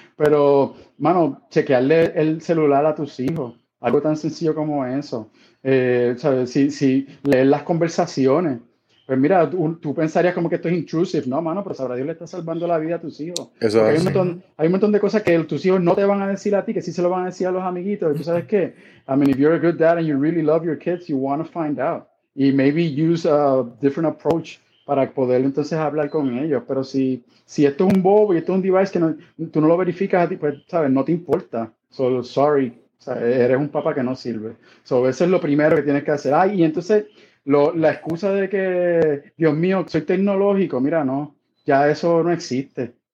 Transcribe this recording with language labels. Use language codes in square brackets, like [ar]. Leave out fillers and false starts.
[es] Pero, mano, chequearle el celular a tus hijos, algo tan sencillo como eso. Si leer las conversaciones. Pues mira, tú pensarías como que esto es intrusive, ¿no, mano? Pero sabrá Dios, le está salvando la vida a tus hijos. Eso es. Hay un montón de cosas que tus hijos no te van a decir a ti, que sí se lo van a decir a los amiguitos. ¿Y tú sabes qué? [en] I mean, if you're a good dad and you really love your kids, you want to find out. [es] Y [en] maybe use a different approach [es] para poder entonces hablar con ellos. Pero si esto es un bobo y esto es un device que tú no lo verificas a ti, pues, ¿sabes? No te importa. [en] So, sorry. [es] O sea, eres un papá que no sirve. So, eso es lo primero que tienes que hacer. Ah, y entonces... La excusa de que, Dios mío, soy tecnológico, mira, no, ya eso no existe.